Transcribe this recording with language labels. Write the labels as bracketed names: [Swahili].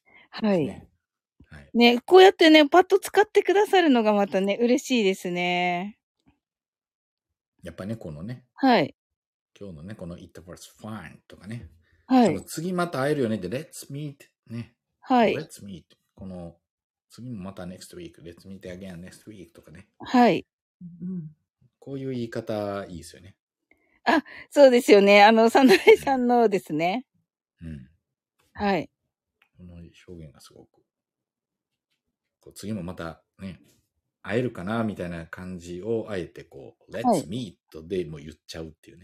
[Japanese] はい。ね、はい、ね、こうやってね、パッと使ってくださるのがまたね、嬉しいですね。やっぱね、このね、はい、今日のね、この [English] It was fun [Japanese] とかね、はい、その次また会えるよねって、 [English] Let's meet [Japanese] ね。はい。 [English] Let's meet。 [Japanese] この次もまた [English] next week、Let's meet again next week [Japanese] とかね。はい。こういう言い方、いいですよね。あ、そうですよね。あの、早苗さんのですね。うん。はい。この表現がすごく。こう次もまたね、会えるかなみたいな感じを、あえてこう、はい、 [English] Let's meet [Japanese] でも言っちゃうっていうね。